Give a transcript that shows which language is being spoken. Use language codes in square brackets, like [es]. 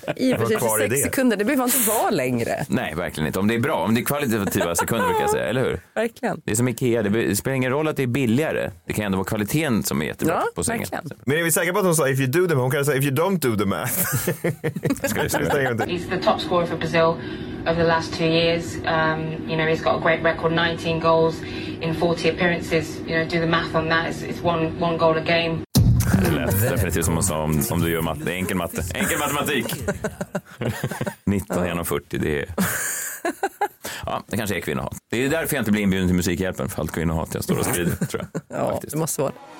[sv] I för sig 26 sekunder, det behöver inte vara längre. Nej, verkligen inte. Om det är bra, om det är kvalitativa sekunder brukar jag säga, eller hur? Verkligen. Det är som IKEA, det spelar ingen roll att det är billigare. Det kan ändå vara kvaliteten som är jättebra, ja, på sängen. Verkligen. Men är vi säkra på att hon sa [en] if you do the math? [sv] Hon kan säga [en] if you don't do the math. [sv] Ska vi sluta en gång till. [en] He's the top scorer for Brazil over the last two years. You know, he's got a great record, 19 goals in 40 appearances. You know, do the math on that. It's one goal a game. [sv] Det är definitivt som hon sa om du gör matte. Enkel matte. Enkel matematik. 19 genom 40, det är... Ja, det kanske är kvinnohat. Det är därför jag inte blir inbjuden till Musikhjälpen. För allt kvinnohat jag står och skriver, tror jag. Ja, faktiskt. Det måste vara.